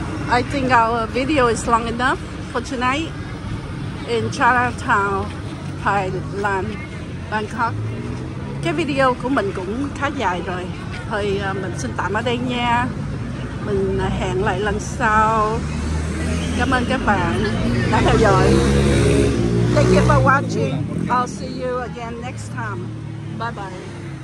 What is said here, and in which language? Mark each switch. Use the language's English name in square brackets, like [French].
[English] I think our video is long enough for tonight in Chinatown, Thailand, Bangkok. [Vietnamese] Cái video của mình cũng khá dài rồi. Thì mình xin tạm ở đây nha. Mình hẹn lại lần sau. Cảm ơn các bạn đã theo dõi. [English] Thank you for watching. I'll see you again next time. Bye bye.